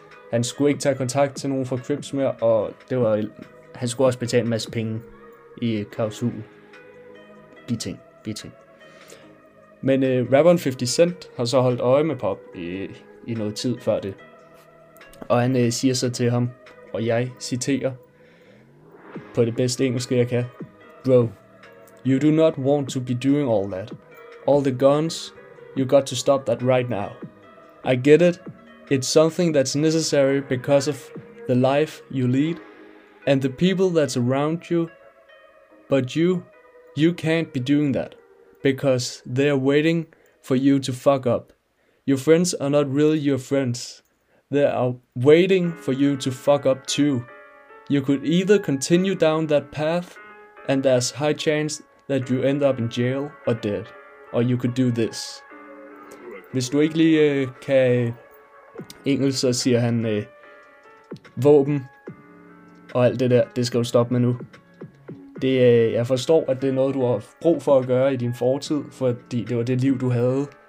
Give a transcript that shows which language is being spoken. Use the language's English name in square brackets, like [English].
[Danish] Han skulle ikke tage kontakt til nogen fra Crips mere, og det var... Han skulle også betale en masse penge i klausul. Biting. Men rapperen 50 Cent har så holdt øje med Pop i noget tid før det. Og han siger så til ham, og jeg citerer på det bedste engelske, jeg kan. [English] Bro, you do not want to be doing all that. All the guns, you got to stop that right now. I get it. It's something that's necessary because of the life you lead, and the people that's around you, but you can't be doing that, because they're waiting for you to fuck up. Your friends are not really your friends. They are waiting for you to fuck up too. You could either continue down that path, and there's high chance that you end up in jail or dead. Or you could do this. [Danish] Hvis du ikke lige kan engelsk, så siger han våben og alt det der, det skal du stoppe med nu. Jeg forstår, at det er noget, du har brug for at gøre i din fortid, fordi det var det liv, du havde.